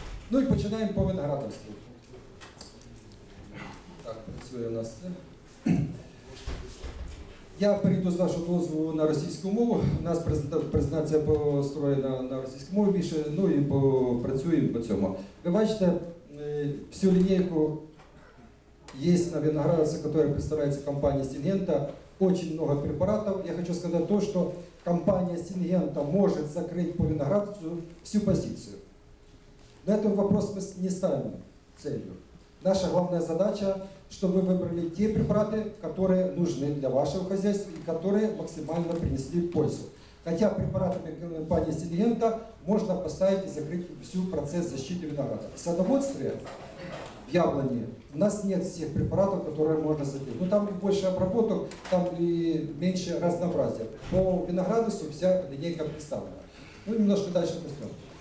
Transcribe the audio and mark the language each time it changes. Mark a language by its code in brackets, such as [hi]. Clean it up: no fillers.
[uk] Ну і починаємо по виноградарству. Так, працює у нас це. Я перейду з вашого дозволу на російську мову. У нас презентація построєна на російську мову більше, ну і працюємо по цьому. Ви бачите, всю лінійку є на виноградарстві, яка представляється компанією Syngenta. [ru] Очень много препаратов. [uk] Я хочу сказати то, що компанія Syngenta може закрити по виноградарству всю позицію. На цьому вопрос ми не ставимо целью. Наша головна задача, щоб ви вибрали ті препарати, які потрібні для вашого господарства і які максимально принесли пользу. Хоча препаратами компанії Syngenta можна поставити і закрити всю процес защиты винограда. В садоводстві, в яблоні, [ru] у нас нет всех препаратов, которые можно закрыть. Ну там и больше обработок, там и меньше разнообразия. По виноградусу вся линейка представлена. Ну немножко дальше пойдем.